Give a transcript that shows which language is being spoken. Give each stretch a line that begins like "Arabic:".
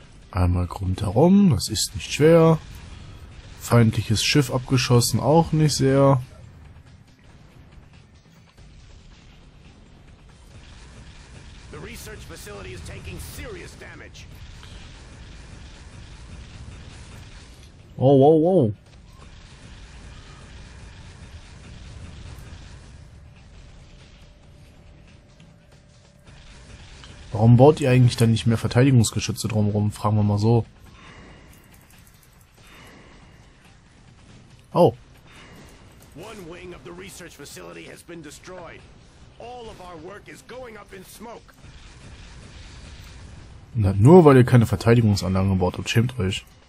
German: Einmal rundherum, das ist nicht schwer. Feindliches Schiff abgeschossen, auch nicht sehr.
English: The research facility is taking serious damage. Oh, wow, wow.
German: Warum baut ihr eigentlich dann nicht mehr Verteidigungsgeschütze drumherum? Fragen wir mal so. Oh.
English: One wing of the research facility has been destroyed. All of our work is going up in smoke.
German: Na, nur weil ihr keine Verteidigungsanlagen gebaut habt, schämt euch.